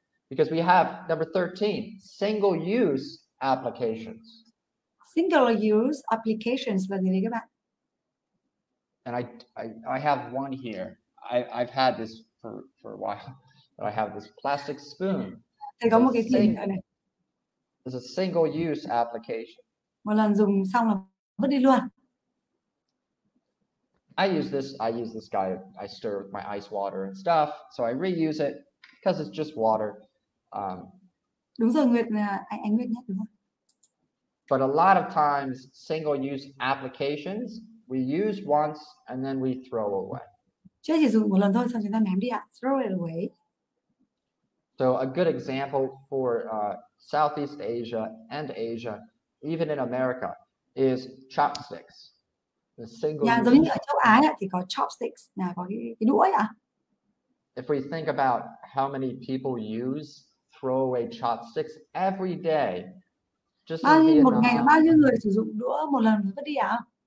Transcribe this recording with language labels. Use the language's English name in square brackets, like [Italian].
[English] Because we have, number 13, single-use applications. Single-use applications, what do you think about? And I have one here. I've had this for a while, but I have this plastic spoon. It's a single-use application. [Vietnamese] Một lần dùng xong là vứt đi luôn. [English] I use this guy. I stir with my ice water and stuff, so I reuse it because it's just water. [Vietnamese] Đúng rồi, Nguyệt, anh Nguyệt nhé, đúng không? [English] But a lot of times, single-use applications we use once and then we throw away. [Vietnamese] Chúng chỉ dùng một lần thôi, xong chúng ta ném đi ạ. [English] Throw it away. So a good example for Southeast Asia and Asia, even in America, is chopsticks. The single. [Vietnamese] Yeah, giống như ở châu Á thì có chopsticks, nè, có cái đũa ạ. [English] If we think about how many people use throwaway chopsticks every day, just [Vietnamese] bao nhiêu một ngày bao nhiêu người sử dụng đũa một lần vứt đi ạ?